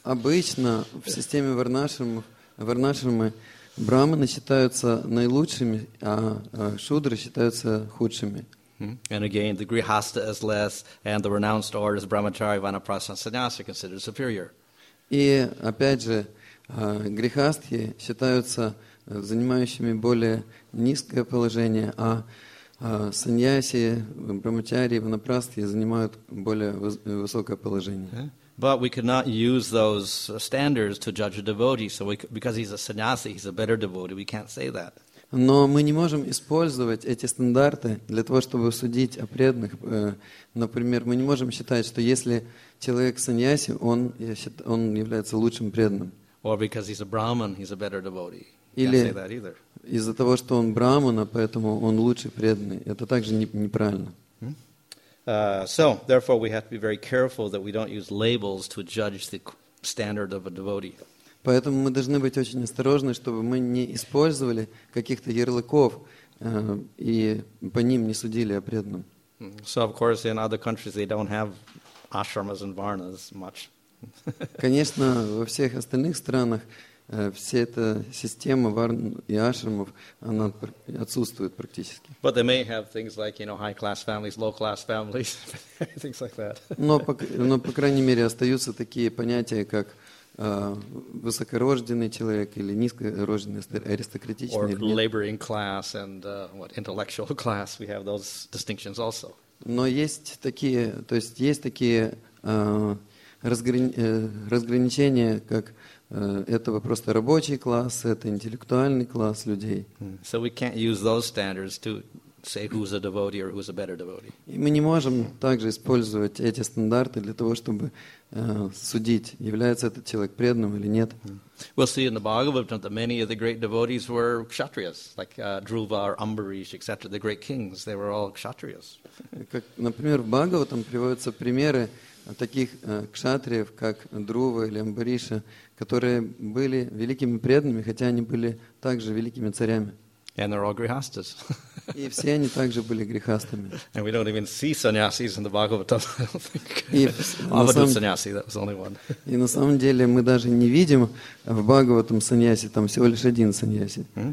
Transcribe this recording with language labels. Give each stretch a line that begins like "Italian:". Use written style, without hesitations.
Russian: Обычно в системе варна-ашрамы брахманы считаются наилучшими, а шудры считаются худшими.
English: And again, the grihastha is less and the renounced order is brahmachari, vanaprastha, sannyasa considered superior.
Russian: И опять же, грихастхи считаются занимающими более низкое положение, а саньяси, брахмачарии, ванапрасхи занимают более высокое положение.
English: But we cannot use those standards to judge a devotee. So because he's a sannyasi, he's a better devotee. We can't say that.
Russian: Но мы не можем использовать эти стандарты для того, чтобы судить о преданных. Например, мы не можем считать, что если человек саньяси, он является лучшим преданным.
English: Or because he's a brahman, he's a better devotee.
Russian: Или
English: can't say that either.
Russian: Из-за того, что он брахмана, поэтому он лучший преданный. Это также неправильно.
English: So, therefore, we have to be very careful that we don't use labels to judge the standard of a devotee.
Russian: Поэтому мы должны быть очень осторожны, чтобы мы не использовали каких-то ярлыков и по ним не судили о преданном.
English: So, of course, in other countries they don't have ashramas and varnas much.
Russian: Конечно, во всех остальных странах вся эта система варн и ашрамов, она отсутствует практически.
English: But they may have things like, you know, high-class families, low-class families, things like that.
Russian: Но, по крайней мере, остаются такие понятия, как высокорожденный человек или низкорожденный, аристократичный.
English: Or laboring class and intellectual class. We have those distinctions also.
Russian: Но есть такие, то есть есть такие разграничения, как этого просто рабочий класс, это интеллектуальный класс людей.
English: So we can't use those standards to say who's a devotee or who's a better devotee.
Russian: И мы не можем также использовать эти стандарты для того, чтобы судить, является этот человек преданным или нет.
English: We'll see in the Bhagavatam that many of the great devotees were kshatriyas, like Dhruva or Ambarish, etc., the great kings, they were all kshatriyas.
Russian: Как, например, в Бхагаватам приводятся примеры таких кшатриев, как Друва или Амбариша, которые были великими преданными, хотя они были также великими царями.
English: And they're all grihasthas.
Russian: И все они также были грихастами.
English: And we don't even see sannyasis in the Bhagavatam, I don't think. Avadhut sannyasi, that was only one.
Russian: И на самом деле мы даже не видим в Бхагаватам сannyasi, там всего лишь один сannyasi.